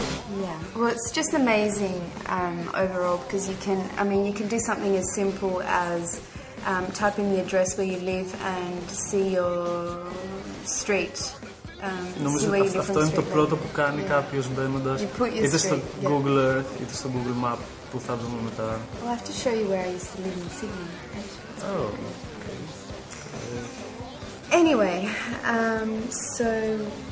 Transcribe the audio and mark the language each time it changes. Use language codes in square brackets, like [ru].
[en] It's amazing overall because you can, I mean, you can do something as simple as type in the address where you live and see your street. [el] Νομίζω ότι αυτό είναι το πρώτο που κάνει κάποιος μπαίνοντας είτε στο Google Earth είτε στο Google Map που θα δούμε μετά. [en] I'll have to show you where I used to live in Sydney. Anyway, so.